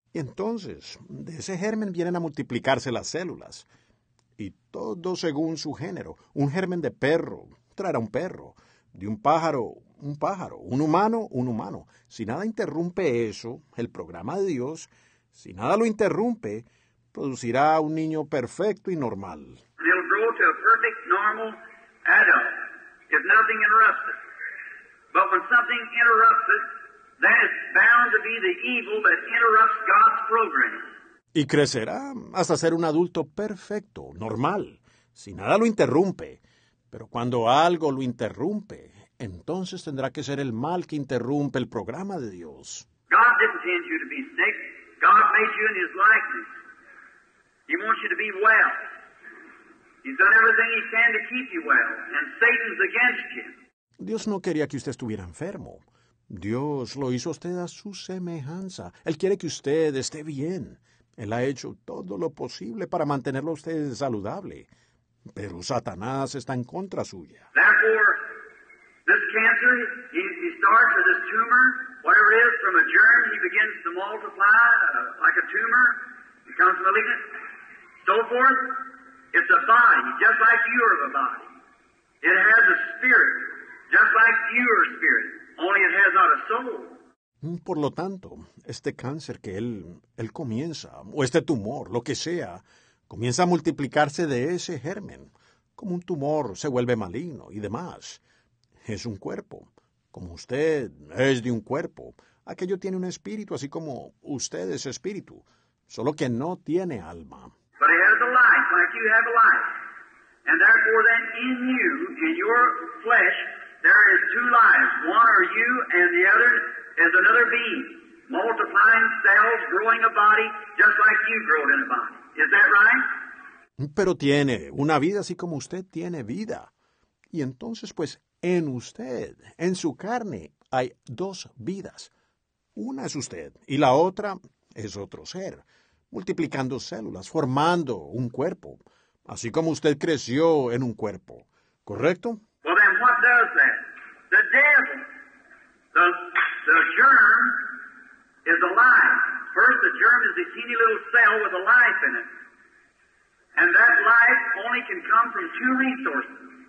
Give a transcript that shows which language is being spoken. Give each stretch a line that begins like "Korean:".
Spanish: Entonces, de ese germen vienen a multiplicarse las células. Y todo según su género. Un germen de perro traerá un perro. De un pájaro. Un humano, un humano. Si nada interrumpe eso, el programa de Dios, si nada lo interrumpe, producirá un niño perfecto y normal.
English: He'll grow to a perfect, normal adult if nothing interrupts it. But when something interrupts it, then it's bound to be the evil that interrupts God's program.
Spanish: Y crecerá hasta ser un adulto perfecto, normal, si nada lo interrumpe. Pero cuando algo lo interrumpe, entonces tendrá que ser el mal que interrumpe el programa de Dios.
English: God didn't send you to be sick. God made you in His likeness. He wants you to be well. He's done everything He can to keep you well, and Satan's against you.
Spanish: Dios no quería que usted estuviera enfermo. Dios lo hizo usted a su semejanza. Él quiere que usted esté bien. Él ha hecho todo lo posible para mantenerlo a usted saludable, pero Satanás está en contra suya.
English: Therefore, this cancer, he starts with this tumor, whatever it is, from a germ, he begins to multiply like a tumor, becomes malignant, so forth. It's a body, just like you are of a body. It has a spirit, just like you are spirit. Only it has not a soul.
Spanish: Por lo tanto, este cáncer que él comienza, o este tumor, lo que sea, comienza a multiplicarse de ese germen, como un tumor se vuelve maligno y demás. Es un cuerpo, como usted es de un cuerpo. Aquello tiene un espíritu, así como usted es espíritu, solo que no tiene alma.
English: But it has a life, like you have a life. And therefore then in you, in your flesh, there is two lives. One are you and the other is another being, multiplying cells, growing a body, just like you grow in a body. Is that right?
Spanish: Pero tiene una vida así como usted tiene vida. Y entonces, pues, en usted, en su carne, hay dos vidas. Una es usted y la otra es otro ser, multiplicando células, formando un cuerpo, así como usted creció en un cuerpo. ¿Correcto?
English: Well, then what does that? The devil, the germ is alive. First, the germ is a teeny little cell with a life in it. And that life only can come from two resources.